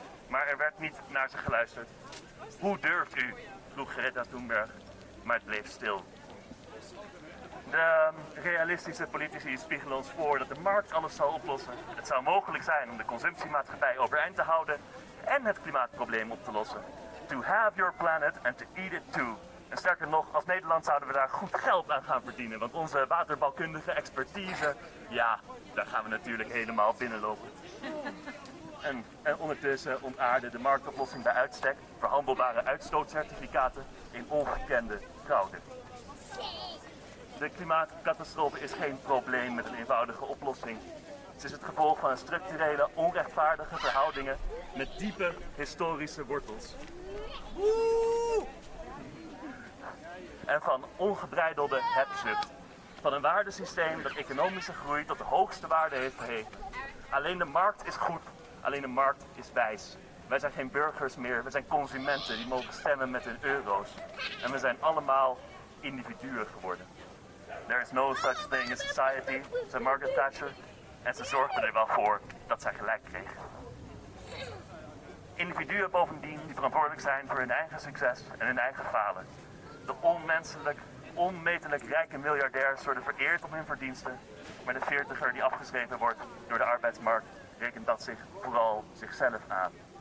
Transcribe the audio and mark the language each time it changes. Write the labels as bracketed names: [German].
[Dutch] Maar er werd niet naar ze geluisterd. Hoe durft u? Vroeg Greta Thunberg, maar het bleef stil. De realistische politici spiegelen ons voor dat de markt alles zal oplossen. Het zou mogelijk zijn om de consumptiemaatschappij overeind te houden en het klimaatprobleem op te lossen. [English] To have your planet and to eat it too. [Dutch] En sterker nog, als Nederland zouden we daar goed geld aan gaan verdienen. Want onze waterbouwkundige expertise, ja, daar gaan we natuurlijk helemaal binnenlopen. En ondertussen ontaarde de marktoplossing bij uitstek verhandelbare uitstootcertificaten in ongekende fraude. De klimaatcatastrofe is geen probleem met een eenvoudige oplossing. Ze is het gevolg van structurele, onrechtvaardige verhoudingen met diepe historische wortels. En van ongebreidelde hebzucht. Van een waardesysteem dat economische groei tot de hoogste waarde heeft verheven. Alleen de markt is goed, alleen de markt is wijs. Wij zijn geen burgers meer, we zijn consumenten die mogen stemmen met hun euro's. En we zijn allemaal individuen geworden. [English] There is no such thing as society, [Dutch] zei [English] Margaret Thatcher. [Dutch] En ze zorgden er wel voor dat zij gelijk kregen. Individuen bovendien die verantwoordelijk zijn voor hun eigen succes en hun eigen falen. De onmenselijk, onmetelijk rijke miljardairs worden vereerd om hun verdiensten. Maar de veertiger die afgeschreven wordt door de arbeidsmarkt, rekent dat zich vooral zichzelf aan.